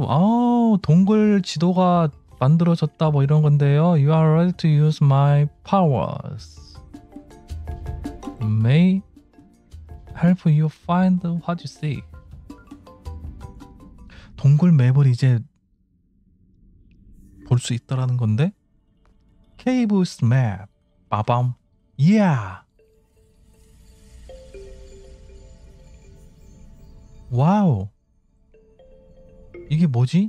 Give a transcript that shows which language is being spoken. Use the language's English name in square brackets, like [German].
[Korean] 오, 동굴 지도가 만들어졌다 뭐 이런 건데요. [English] You are ready to use my powers. May help you find what you seek. [Korean] 동굴 맵을 이제 볼 수 있다라는 건데. [English] Cave's map. 빠밤. Yeah. [Korean] 와우 이게 뭐지?